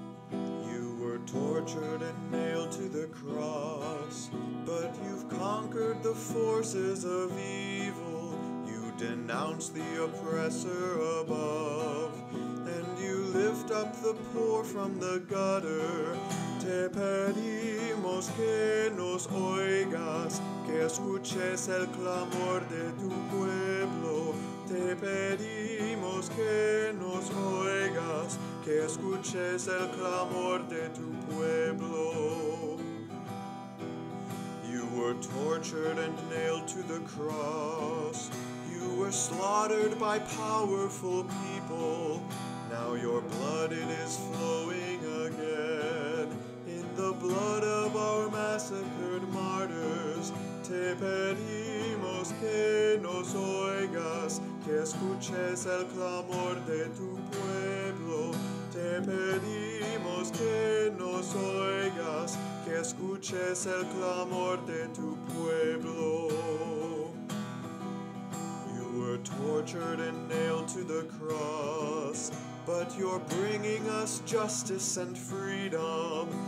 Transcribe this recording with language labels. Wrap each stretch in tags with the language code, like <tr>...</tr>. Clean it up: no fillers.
<en>You were tortured and nailed to the cross, but you've conquered the forces of evil. You denounce the oppressor above, and you lift up the poor from the gutter.</en> <es>Te pedimos que nos oigas, que escuches el clamor de tu pueblo. Te pedimos que nos oigas, que escuches el clamor de tu pueblo.</es> <en>You were tortured and nailed to the cross. You were slaughtered by powerful people. Now your blood, it is flowing again in the blood of our massacred martyrs.</en> <es>Te pedimos que nos oigas, que escuches el clamor de tu pueblo. Te pedimos que nos oigas, que escuches el clamor de tu pueblo.</es> <en>You were tortured and nailed to the cross, but you're bringing us justice and freedom.</en>